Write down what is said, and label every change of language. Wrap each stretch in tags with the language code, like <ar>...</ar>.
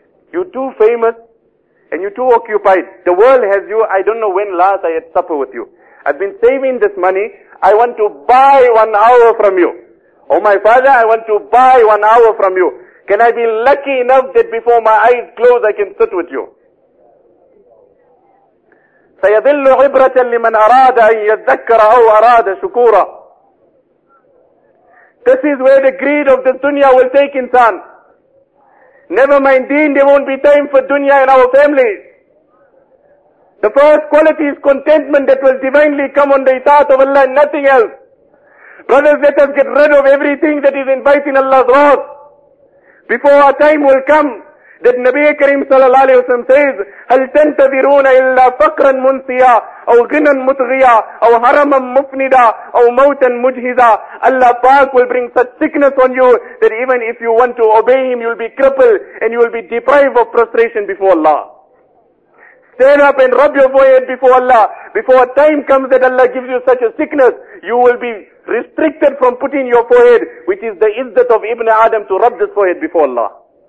<en>You're too famous and you're too occupied. The world has you. I don't know when last I had supper with you. I've been saving this money. I want to buy 1 hour from you. Oh my father, I want to buy 1 hour from you. Can I be lucky enough that before my eyes close, I can sit with you?</en> <ar>سَيَذِلُّ عِبْرَةً لِمَنْ أَرَادَ أَنْ يَذَّكَّرَ أَوْ أَرَادَ شُكُورًا.</ar> <en>This is where the greed of the dunya will take insan. Never mind deen, there won't be time for dunya in our family. The first quality is contentment that will divinely come on the itaat of Allah and nothing else. Brothers, let us get rid of everything that is inviting Allah's wrath. Before our time will come, that Nabi Kareem sallallahu alayhi wa sallam says,</en> <ar>هَلْ تَنْتَذِرُونَ إِلَّا فَقْرًا مُنْسِيًا أَوْ غِنًا مُتْغِيًا أَوْ هَرَمًا مُفْنِدًا أَوْ مَوْتًا مُجْهِزًا.</ar> <en>Allah Pak will bring such sickness on you that even if you want to obey Him, you'll be crippled and you'll be deprived of prostration before Allah. Stand up and rub your forehead before Allah. Before a time comes that Allah gives you such a sickness, you will be restricted from putting your forehead, which is the izzat of Ibn Adam, to rub this forehead before Allah.</en>